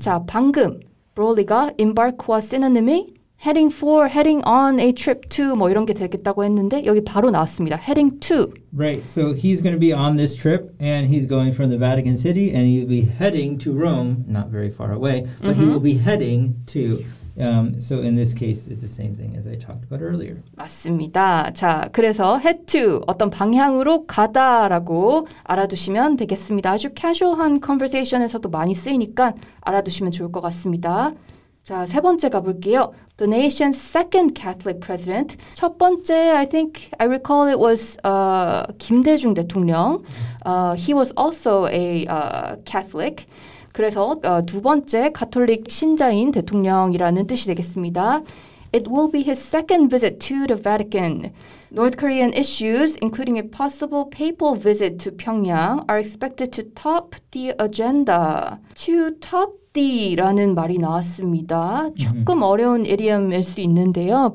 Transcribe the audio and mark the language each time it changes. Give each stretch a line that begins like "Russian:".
Korean: 자, 방금 Broly가 embark와 synonym이
English: heading for, heading on a trip to
Korean: 뭐 이런 게 되겠다고 했는데 여기 바로 나왔습니다.
English: Heading to. Right. So he's going to be on this trip and he's going from the Vatican City and he'll be heading to Rome, not very far away, but mm-hmm. he will be heading to So in this case, it's the same thing as I talked about earlier.
Korean: 맞습니다. 자, 그래서 head to, 어떤 방향으로 가다라고 알아두시면 되겠습니다. 아주 casual한 conversation에서도 많이 쓰이니까 알아두시면 좋을 것 같습니다. 자, 세 번째 가볼게요.
English: The nation's second Catholic president.
Korean: 첫 번째,
English: I think, I recall it was 김대중 대통령. He was also a Catholic.
Korean: 그래서 두 번째 가톨릭 신자인 대통령이라는 뜻이 되겠습니다.
English: It will be his second visit to the Vatican. North Korean issues, including a possible papal visit to Pyongyang, are expected to top the agenda. To top the
Korean: 라는 말이 나왔습니다. 조금 어려운 idiom일 수 있는데요.